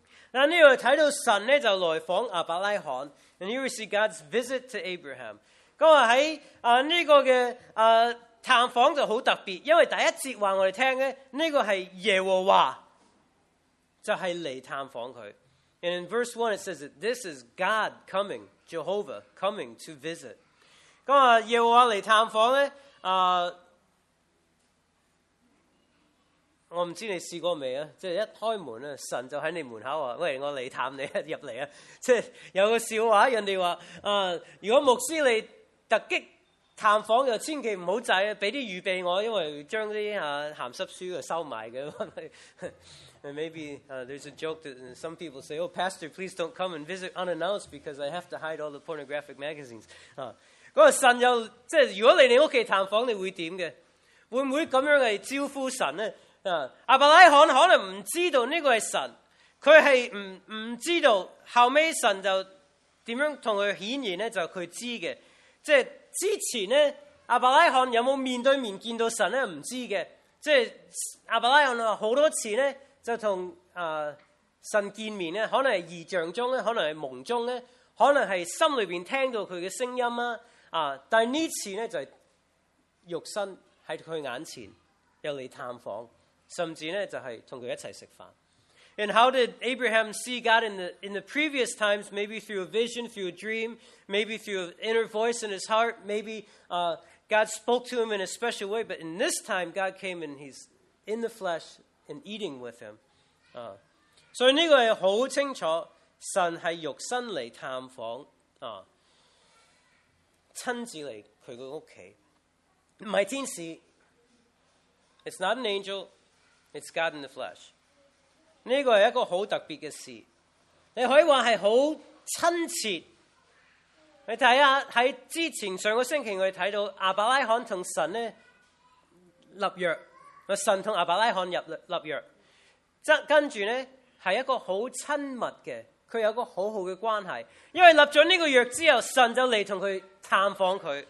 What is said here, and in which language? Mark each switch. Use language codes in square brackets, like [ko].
[zh] 那这里看到神呢就来访亚伯拉罕， [en] and here we see God's visit to Abraham。 [zh] 那么在这个的探访就很特别，因为第一节话我们听呢，这个是耶和华就是来探访他。 [en] and in verse 1 it says that this is God coming, Jehovah coming to visit。 [zh] 那么耶和华来探访呢，我不知道你试过没有，就是一开门神就在你门口说：喂，我来探你入来。就是有个笑话，人家说如果牧师你突击探访就千万不要给点预备我，因为将那些咸湿书收买的。 [en] Maybe there's a joke that some people say, oh, pastor, please don't come and visit unannounced because I have to hide all the pornographic magazines. [zh] 那神就即是如果来你家探访你会怎么样？会不会这样招呼神呢？亚伯拉罕可能不知道这个是神，他是 不知道，后来神就怎样跟他显现呢？就是他知道的，就是之前呢亚伯拉罕有没有面对面见到神呢？不知道的，就是亚伯拉罕很多次呢就跟神见面呢，可能是异象中，可能是梦中，可能是心里面听到他的声音，但这次呢就是肉身在他眼前又来探访，甚至呢就是跟他一起吃饭。 [en] And how did Abraham see God in the previous times? Maybe through a vision, through a dream, maybe through an inner voice in his heart, maybe God spoke to him in a special way, but in this time God came and he's in the flesh and eating with him. [zh] 所以这个很清楚，神是肉身来探访，亲自来他的家，不是天使。 [en] It's not an angel, it's God in the flesh. [zh] 这个是一个很特别的事，你可以说是很亲切。你看看在之前上个星期我们看到亚伯拉罕和神呢立约，神和亚伯拉罕立约，跟着呢是一个很亲密的，他有一个很好的关系，因为立了这个约之后神就来跟他探访他。